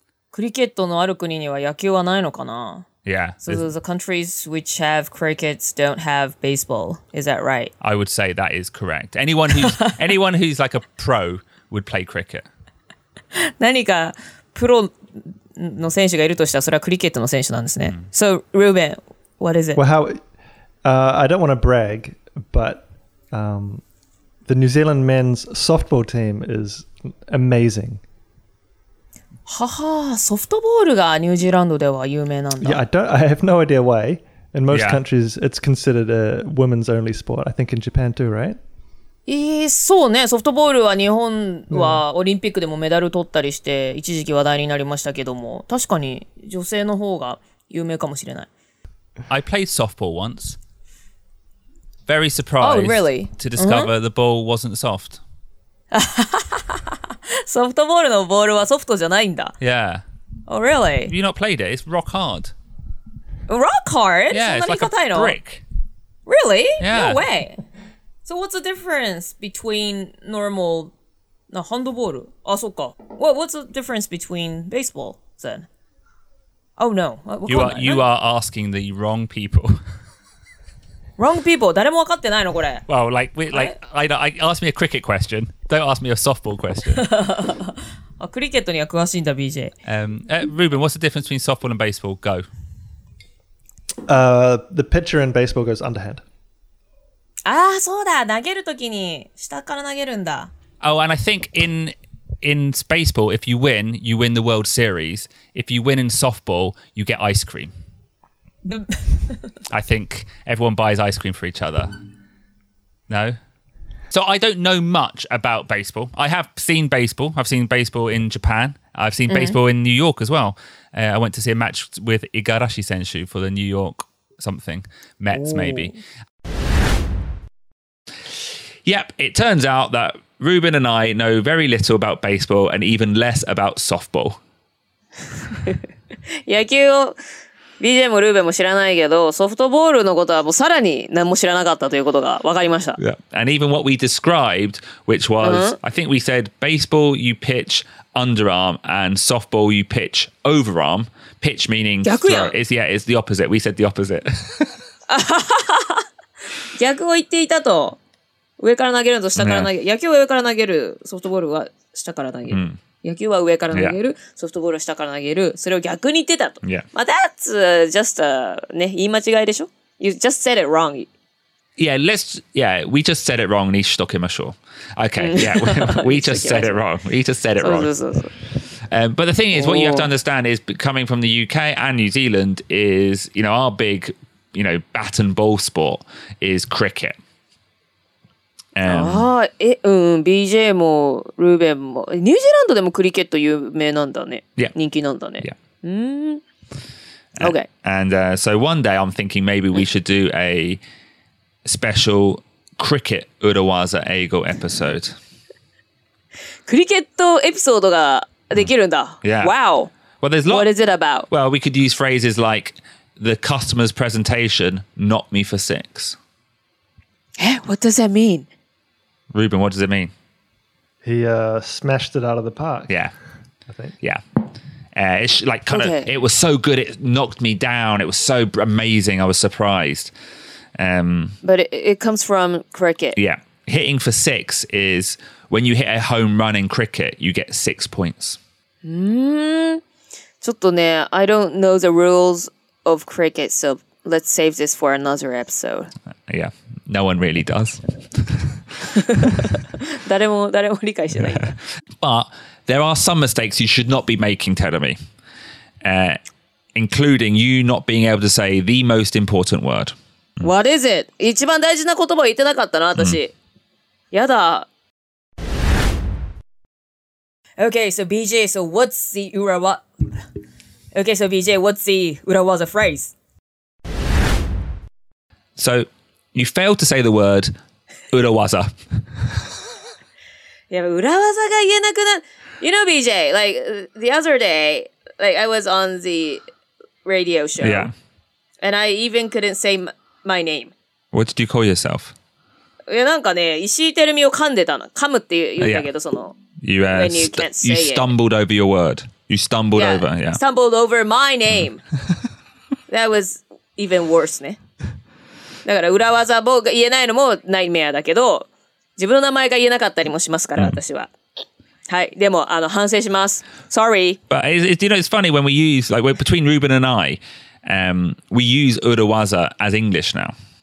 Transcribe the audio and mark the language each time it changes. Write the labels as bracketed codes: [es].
[ja] クリケットのある国には野球はないのかな? [en] Yeah. So the countries which have crickets don't have baseball. Is that right? I would say that is correct. Anyone who's like a pro would play cricket. [ja] 何かプロの選手がいるとしたらそれはクリケットの選手なんですね。 [en] Mm. So, Ruben, what is it? Well, I don't want to brag, but the New Zealand men's softball team is amazing. Haha, soft ball is New Zealand. Yeah, I have no idea why. In most countries, it's considered a women's only sport. I think in Japan too, right? [ja] そうね、ソフトボールは日本はオリンピックでもメダル取ったりして一時期話題になりましたけども、確かに女性の方が有名かもしれない。 [en] I played softball once. Very surprised oh, really? To discover the ball wasn't soft. [ja] ソフトボールのボールはソフトじゃないんだ。 [en] Yeah. Oh, really? Have you not played it? It's rock hard. Rock hard? Yeah, it's like a brick. Really? Yeah. No way. So what's the difference between normal na handball? Ah, [ja] so ka. [en] What's the difference between baseball then? Oh no. You are asking the wrong people. Wrong people. [ja] 誰も分かってないのこれ。 [en] Well, like I ask me a cricket question. Don't ask me a softball question. [ja] あ、クリケットには詳しいんだ BJ。 [en] Ruben, what's the difference between softball and baseball? Go. The pitcher in baseball goes underhand. [ja] ああ、そうだ。投げるときに下から投げるんだ。 [en] Oh, and I think in baseball, if you win, you win the World Series. If you win in softball, you get ice cream. I think everyone buys ice cream for each other. No? So I don't know much about baseball. I have seen baseball. I've seen baseball in Japan. I've seen baseball in New York as well. I went to see a match with Igarashi Senshu for the New York something, Mets maybe. Yep, it turns out that Ruben and I know very little about baseball and even less about softball. [ja] 野球を BJ もルーベンも知らないけど、ソフトボールのことはもうさらに何も知らなかったということが分かりました。 [en] Yeah. And even what we described, which was, I think we said baseball you pitch underarm and softball you pitch overarm. Pitch meaning throw. It's the opposite. We said the opposite. [ja] 逆を言っていたと。上から投げるのと下から投げる、野球は上から投げる、ソフトボールは下から投げる、野球は上から投げる、ソフトボールは下から投げる、それを逆に言ってたと。 [en] Yeah. まあ、that's just a, ね、 [ja] 言い間違いでしょ? [en] You just said it wrong. Yeah, we just said it wrong [ja] にしときましょう。 [en] Okay, yeah, we just said it wrong. We just said it wrong. But the thing is, what you have to understand is, coming from the UK and New Zealand is, you know, our big, you know, bat and ball sport is cricket. [ja] BJ もルーベンもニュージーランドでもクリケット有名なんだね、 [en] yeah. [ja] 人気なんだね、 [en] yeah. Okay. And so one day I'm thinking maybe we should do a special cricket Urawaza Eigo episode. [ja] クリケットエピソードができるんだ、 [en] yeah. Wow. Well, there's what is it about? Well, we could use phrases like the customer's presentation not me for six. What does that mean Ruben, what does it mean? He smashed it out of the park. Yeah. I think. Yeah. It was so good, it knocked me down. It was so amazing, I was surprised. But it comes from cricket. Yeah. Hitting for six is when you hit a home run in cricket, you get 6 points. [ja] ちょっとね、 [en] I don't know the rules of cricket, so let's save this for another episode. Yeah. No one really does. [ja] 誰も理解してない。 [en] But there are some mistakes you should not be making, Terumi. Including you not being able to say the most important word. What is it? [ja] 一番大事な言葉を言ってなかったな、私。やだ。 [en] Okay, so BJ, so what's the Urawaza? Okay, so BJ, what's the Urawaza phrase? So you failed to say the word... Urawaza. Yeah, but Urawaza ga yen nakuna. You know, BJ, like the other day, like I was on the radio show. Yeah. And I even couldn't say my name. What did you call yourself? [ja] Yeah, なんかね、石井テルミを噛んでたの。噛むって言うんだけど、その。 [en] You stumbled over your word. You stumbled over, yeah. Stumbled over my name. That was even worse, ne. [ja] だから裏技も言えないのもナイメアだけど、自分の名前が言えなかったりもしますから、私は。はい、でも反省します。 [en] Sorry. But you know, it's funny when we use, like, between Ruben and I, we use 裏技 as English now.